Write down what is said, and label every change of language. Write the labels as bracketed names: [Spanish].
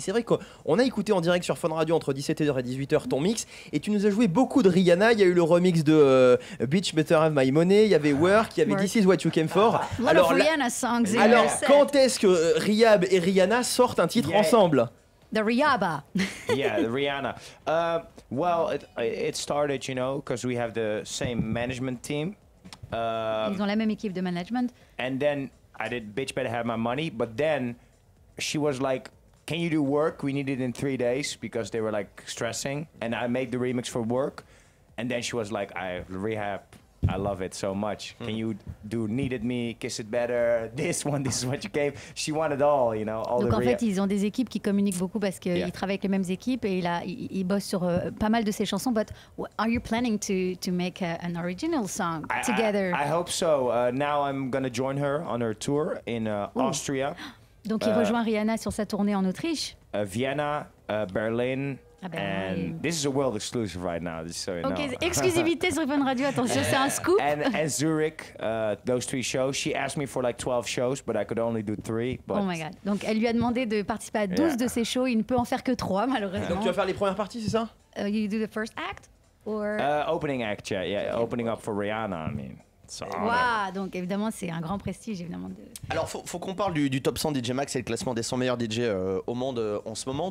[French] Et c'est vrai qu'on a écouté en direct sur Fun Radio entre 17h et 18h ton mix. Et tu nous as joué beaucoup de Rihanna. Il y a eu le remix de Bitch Better Have My Money. Il y avait Work, il y avait This Is What You Came For. Alors, Rihanna songs. Alors, quand est-ce que Riyab et Rihanna sort un titre ensemble? [English] The Rihanna. Yeah, the Rihanna. Well, it started, you know, because we have the same management team. [French] Ils ont la même équipe de management. [English] And then I did Bitch Better Have My Money, but then she was like, can you do Work? We need it in 3 days because they were like stressing. And I made the remix for Work. And then she was like, I love it so much. Can you do Needed Me, Kiss It Better, this is what you gave. She wanted all, you know, all [French] donc [English] the [French] en fait, ils ont des équipes qui communiquent beaucoup parce qu'ils travaillent avec les mêmes équipes et ils bossent sur pas mal de ces chansons. [English] But are you planning to make an original song together? I hope so. Now I'm going to join her on her tour in Austria. [French] Donc il rejoint Rihanna sur sa tournée en Autriche. [English] Vienna, Berlin. And this is a world exclusive right now, just so you know. [French] Okay, exclusivité sur Fun Radio, attention, c'est un scoop. [English] And Zurich, those three shows. She asked me for like 12 shows, but I could only do 3. Oh my God. [French] Donc elle lui a demandé de participer à 12 de ses shows, il ne peut en faire que 3, malheureusement. Donc tu vas faire les premières parties, c'est ça? [English] You do the first act? or opening act, yeah, yeah, opening up for Rihanna, I mean. [French] Wow, donc évidemment c'est un grand prestige évidemment de... Alors faut qu'on parle du top 100 DJ Max. C'est le classement des 100 meilleurs DJ au monde en ce moment.